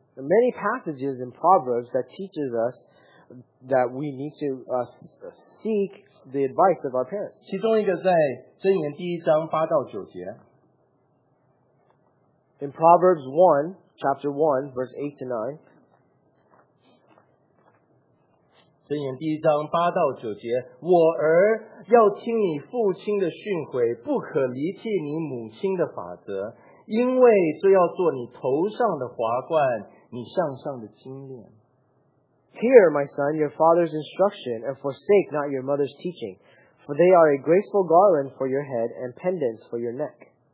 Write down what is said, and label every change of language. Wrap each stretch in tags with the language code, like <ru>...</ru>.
<en>Many passages in Proverbs that teaches us that we need to seek the advice of our parents.</en> <zh>其中一个在箴言第一章8到9节。</zh> <en>In Proverbs 1, chapter 1, verse 8 to 9,</en> <zh>箴言第一章8到9节，我儿要听你父亲的训诲，不可离弃你母亲的法则，因为这要做你头上的华冠，你项上的金链。</zh> <en>Hear, my son, your father's instruction, and forsake not your mother's teaching, for they are a graceful garland for your head and pendants for your neck.</en>